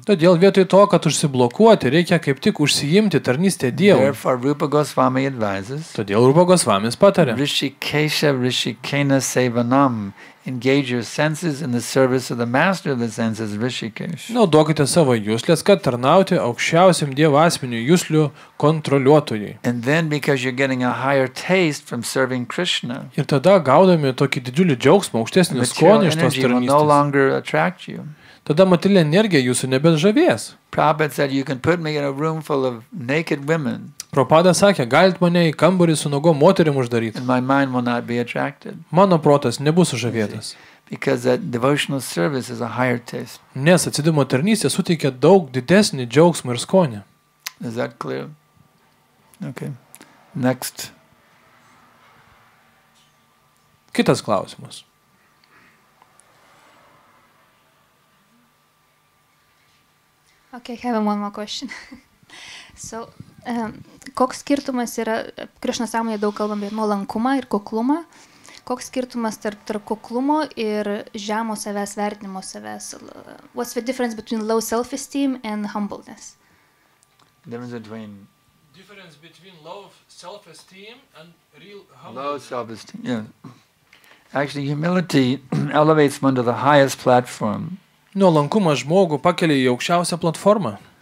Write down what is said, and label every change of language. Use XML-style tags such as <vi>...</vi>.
<lt>Todėl vietoj to, kad užsiblokuoti, reikia kaip tik užsiimti tarnystę Dievui.</lt> <en>Therefore, Rupa Goswami advises.</en> <lt>Todėl Rupa Goswamis patarė.</lt> <sa>Rishikesha Rishikena Sevanam.</sa> <en>Engage your senses in the service of the master of the senses, Rishikesh.</en> <lt>Naudokite savo jusles, kad tarnauti aukščiausiam Dievo asmeniui, juslių kontroliuotojai.</lt> <en>And then because you're getting a higher taste from serving Krishna.</en> <lt>Ir tada gaudami tokį didžiulį džiaugsmą, aukštesnį skonį iš tos tarnystės. Tada materialinė energija jūsų nebežavės.</lt> <en>Prabhupada said you can put me in a room full of naked women.</en> <lt>Prabhupada sakė, galit mane į kambarį su nuogom moterim uždaryti.</lt> <en>And my mind will not be attracted.</en> <lt>Mano protas nebus sužavėtas.</lt> <en>Because that devotional service is a higher taste.</en> <lt>Nes atsidumo tarnystė suteikia daug didesnį džiaugsmą ir skonį.</lt> <en>Is that clear? Okay. Next.</en> <lt>Kitas klausimas.</lt> <en>Okay, I have one more question.</en> <lt>So, koks skirtumas yra, Krišna sąmonė daug kalbame, nuolankumą ir kuklumą. Koks skirtumas tarp kuklumo ir žemo savęs, vertinimo savęs?</lt> <en>What's the difference between low self-esteem and humbleness? Difference between low self-esteem and real humbleness. Low self-esteem, yeah. Actually, humility elevates one to the highest platform.</en> <lt>Nuolankumas žmogų pakelia į aukščiausią platformą.</lt>